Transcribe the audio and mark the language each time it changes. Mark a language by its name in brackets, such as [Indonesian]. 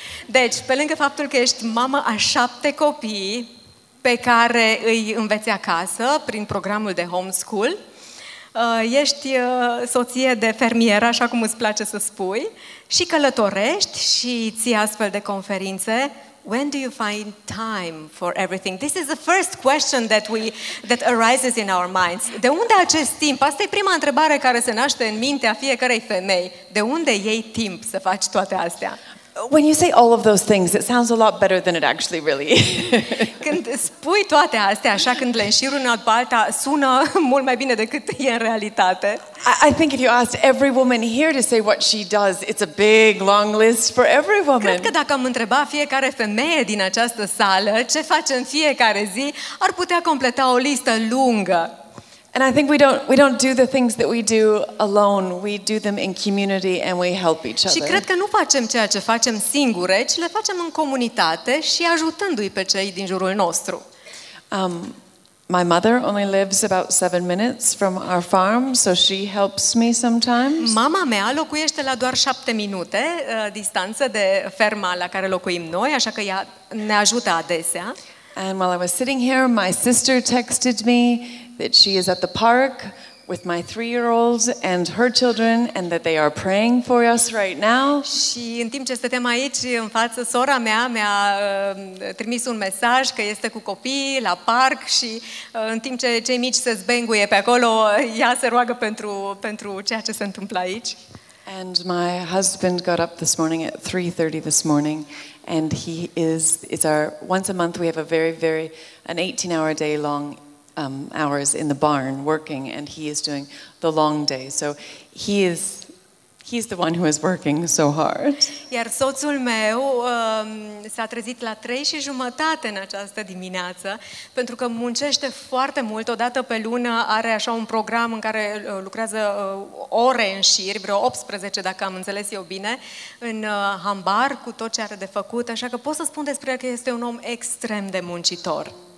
[Romanian] Deci, pe lângă faptul că ești mamă a 7 copii pe care îi înveți acasă prin programul de homeschool, ești soție de fermieră, așa cum îți place să spui, și călătorești și ții astfel de conferințe. [English] When do you find time for everything? This is the first question that arises in our minds. [Romanian] De unde acest timp? Asta e prima întrebare care se naște în mintea fiecărei femei. De unde iei timp să faci toate astea? [English] When you say all of those things, it sounds a lot better than it actually really is. [Romanian] Când spui toate astea, așa când le înșir una după alta, sună mult mai bine decât e în realitate. [English] I think if you asked every woman here to say what she does, it's a big, long list for every woman. [Romanian] Cred că dacă am întrebat fiecare femeie din această sală ce face în fiecare zi, ar putea completa o listă lungă. [English] And I think we don't do the things that we do alone. We do them in community and we help each other. [Romanian] Și cred că nu facem ceea ce facem singure, ci le facem în comunitate și ajutându-i pe cei din jurul nostru. [English] My mother only lives about 7 minutes from our farm, so she helps me sometimes. [Romanian] Mama mea locuiește la doar 7 minute distanță de ferma la care locuim noi, așa că ea ne ajută adesea. [English] And while I was sitting here, my sister texted me that she is at the park with my 3-year-old and her children and that they are praying for us right now. [Romanian] Și în timp ce stăteam aici în față, sora mea mi-a trimis un mesaj că este cu copiii la parc și în timp ce cei mici se zbenguie pe acolo, ea se roagă pentru ceea ce se întâmplă aici. [English] And my husband got up this morning at 3:30 this morning and he is our once a month we have a very 18-hour day long hours in the barn working and he is doing the long day. So he's the one who is working so hard. [Romanian] Iar soțul meu s-a trezit la 3:30 în această dimineață pentru că muncește foarte mult. O dată pe lună are așa un program în care lucrează ore în șir, vreo 18 dacă am înțeles eu bine, în hambar cu tot ce are de făcut, așa că pot să spun despre el că este un om extrem de muncitor.